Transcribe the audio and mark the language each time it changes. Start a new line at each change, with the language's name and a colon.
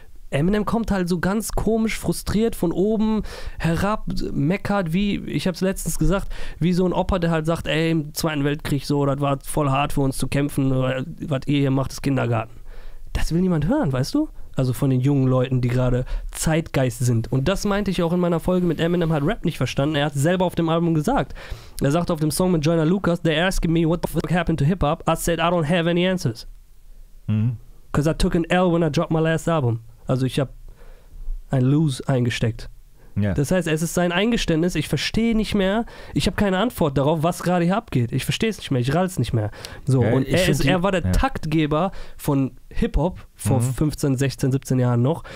German: Eminem kommt halt so ganz komisch, frustriert von oben herab, meckert, wie, ich hab's letztens gesagt, wie so ein Opa, der halt sagt, ey, im Zweiten Weltkrieg so, das war voll hart für uns zu kämpfen, was ihr hier macht, ist Kindergarten. Das will niemand hören, weißt du? Also von den jungen Leuten, die gerade Zeitgeist sind. Und das meinte ich auch in meiner Folge mit Eminem hat Rap nicht verstanden. Er hat es selber auf dem Album gesagt. Er sagte auf dem Song mit Joyner Lucas,
English: they're asking me what the fuck happened to hip-hop. I said I don't have any answers. Because I took an L when I dropped my last album.
German: Also ich habe ein Lose eingesteckt.
English: Yeah.
German: Das heißt, es ist sein Eingeständnis. Ich verstehe nicht mehr. Ich habe keine Antwort darauf, was gerade hier abgeht. Ich verstehe es nicht mehr. Ich ralle es nicht mehr. So, okay, und er war der Taktgeber von Hip-Hop vor 15, 16, 17 Jahren noch.